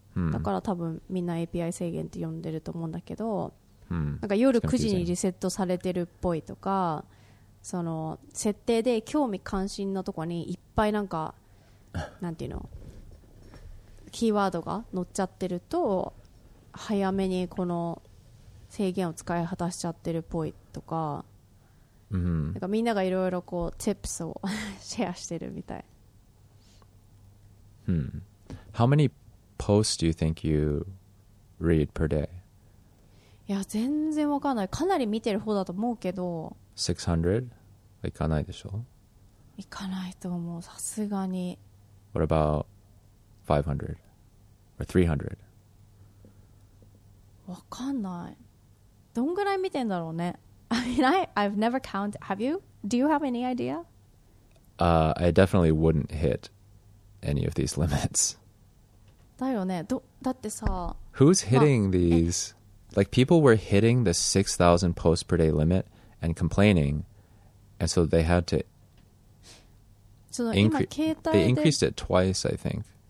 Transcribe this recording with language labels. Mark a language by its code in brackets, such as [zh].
[ja] だから多分みんな API 制限って呼んでると思うんだけど、なんか夜9時にリセットされてるっぽいとか、その設定で興味関心のとこにいっぱいなんかなんていうのキーワードが載っちゃってると、早めにこの制限を使い果たしちゃってるっぽいとか、なんかみんながいろいろこう tips をシェアしてるみたい。 [en] How many posts do you think you read per day? [ja] いや、全然わかんない。かなり見てる方だと思うけど。 600? いかないでしょ。いかないと思う、さすがに。 [en] What about 500? Or 300? [ja] わかんない。どんぐらい見てんだろうね。 [en] I mean, I've never counted. Have you? Do you have any idea? I definitely wouldn't hit any of these limits. [ja] だよね。だってさ、 [en] Who's hitting these? Like, people were hitting the 6,000 posts per day limit and complaining, and so they had to They increased it twice, I think.